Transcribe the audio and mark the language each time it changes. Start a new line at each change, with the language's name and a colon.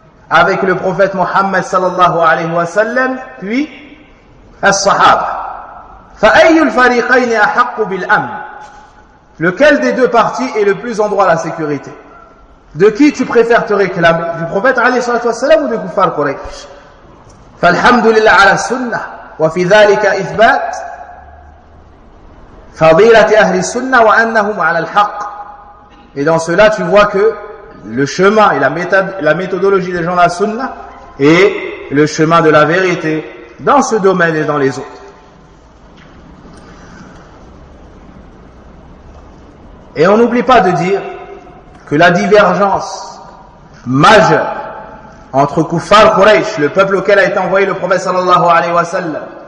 French: Avec le prophète Muhammad sallallahu alayhi wa sallam, puis as-sahaba.
Arabic: فأي الفريقين أحق بالأمن؟
French: Lequel des deux parties est le plus en droit à la sécurité? De qui tu préfères te réclamer? Du prophète
Arabic: عليه الصلاة والسلام
French: ou de Kuffar Quraysh?
Arabic: فالحمد لله على السنة وفي ذلك إثبات فضيلة أهل السنة وأنهم على الحق.
French: Et dans cela tu vois que le chemin et la méthodologie des gens de la sunna est le chemin de la vérité dans ce domaine et dans les autres. Et on n'oublie pas de dire que la divergence majeure entre Kuffar Quraysh, le peuple auquel a été envoyé le prophète sallallahu alayhi wa sallam,